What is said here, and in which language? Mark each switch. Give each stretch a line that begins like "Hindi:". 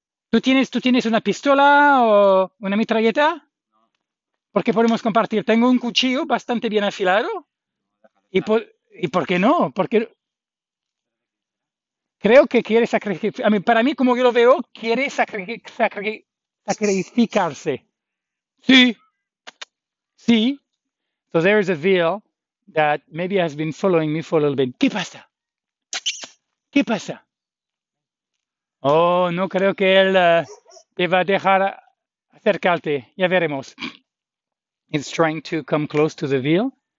Spanish: ¿Tú tienes una pistola o una metralleta? Porque podemos compartir. Tengo un cuchillo bastante bien afilado. ¿Y por qué no? Porque creo que quiere sacrificar. A mí, para mí, como yo lo veo, quiere sacrificarse. Sí.
English: So there is a veil that maybe has been following me for a little bit.
Spanish: ¿Qué pasa? ¿Qué pasa? Oh, no creo que él te va a dejar acercarte. Ya veremos.
English: It's trying to come close to the veil.